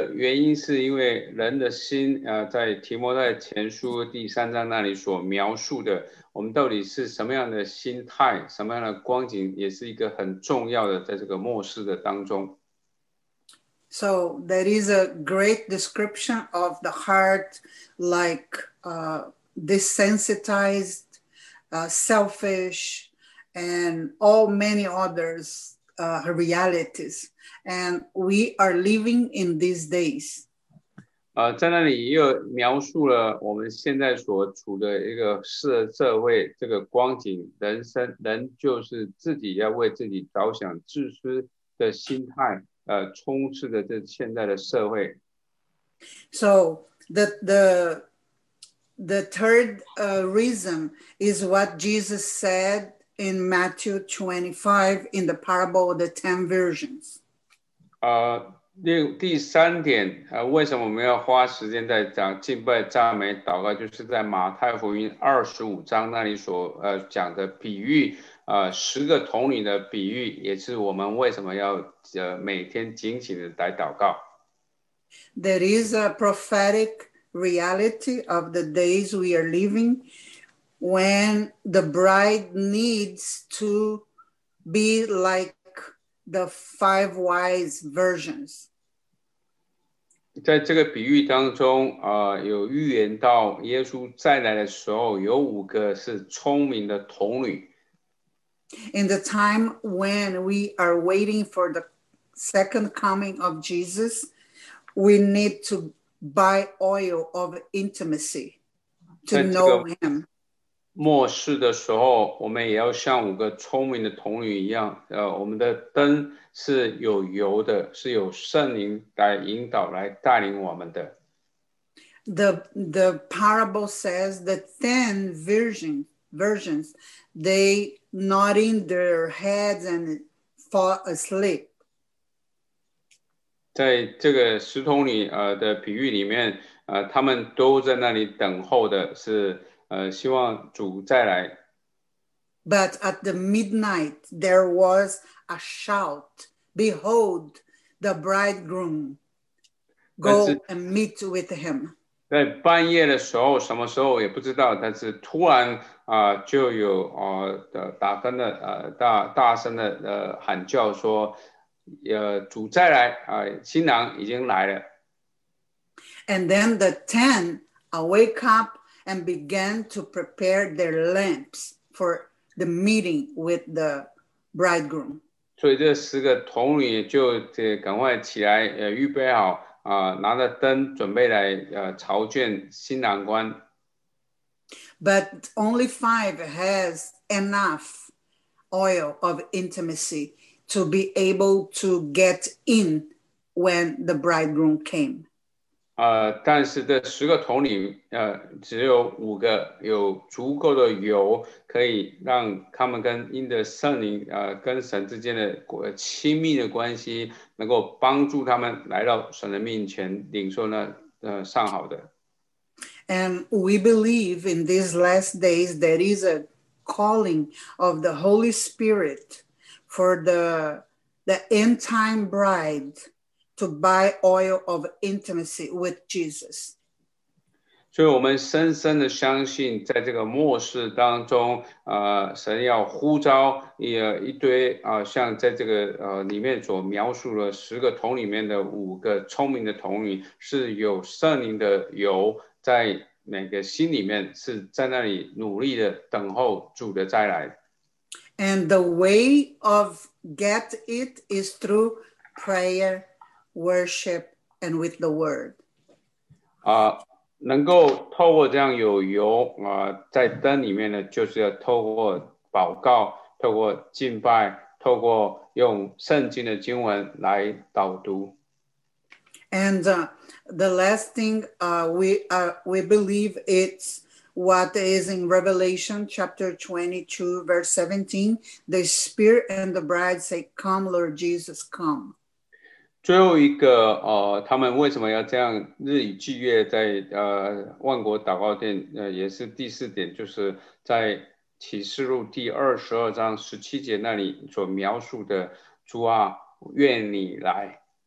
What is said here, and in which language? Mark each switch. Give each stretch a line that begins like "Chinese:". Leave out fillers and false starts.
Chinese: 第二个原因是因为人的心, 在提摩太前书第3章那里所描述的, 我们到底是什么样的心态, 什么样的光景, 也是一个很重要的在这个末世的当中。
English: So that is a great description of the heart, like desensitized, selfish, and all many others realities. And we are living in these days.
Chinese: 在那里又描述了我们现在所处的一个社会这个光景，人生人就是自己要为自己着想，自私的心态，充斥着这现在的社会。
English: So the third reason is what Jesus said in Matthew 25 in the parable of the 10 virgins.
Chinese: 第三点，为什么我们要花时间在讲敬拜、赞美、祷告，就是在马太福音25章那里所讲的比喻，十个童女的比喻，也是我们为什么要每天警醒的来祷告。
English: There is a prophetic reality of the days we are living, when the bride needs to be like the five wise virgins.
Chinese: 在这个比喻当中，有预言到耶稣再来的时候，有五个是聪明的童女。
English: In the time when we are waiting for the second coming of Jesus, we need to buy oil of intimacy to know him.
Chinese: 末世的时候，我们也要像五个聪明的童女一样，我们的灯是有油的，是有圣灵来引导、来带领我们的。
English: The parable says the ten virgins, they nodding their heads and fall asleep.
Chinese: 在这个十童女的比喻里面，他们都在那里等候的是。希望主再来。
English: But at the midnight, there was a shout. Behold, the bridegroom. Go and meet with him.
Chinese: 在半夜的时候，什么时候也不知道，但是突然就有打灯的大声的喊叫说，主再来新郎已经来了。
English: And then the ten awake up. And began to prepare their lamps for the meeting with the bridegroom.
Chinese: 所以这十个童女就赶快起来，预备好，拿着灯准备来，朝见新郎官。
English: But only five has enough oil of intimacy to be able to get in when the bridegroom came.
Chinese: 但是这十个童女，只有五个有足够的油，可以让他们跟因着圣灵，跟神之间的亲密的关系，能够帮助他们来到神的面前，领受那上好的。
English: And we believe in these last days there is a calling of the Holy Spirit for the end time bride. To buy oil of intimacy with Jesus.
Chinese: 所以我们深深的相信，在这个末世当中，神要呼召一堆像在这个里面所描述的十个童里面的五个聪明的童女，是有圣灵的油在每个心里面，是在那里努力的等候主的再来。
English: And the way of get it is through prayer. Worship and with the word.
Chinese: 能够透过这样有油在灯里面呢，就是要透过祷告，透过敬拜，透过用圣经的经文来导读。
English: And the last thing we believe it's what is in Revelation chapter 22, verse 17. The Spirit and the bride say, Come, Lord Jesus, come.
Chinese: 最后一个他们为什么要这样日以继夜在万国祷告殿也是第四点，就是在启示录第22章17节那里所描述的，主啊，愿你来。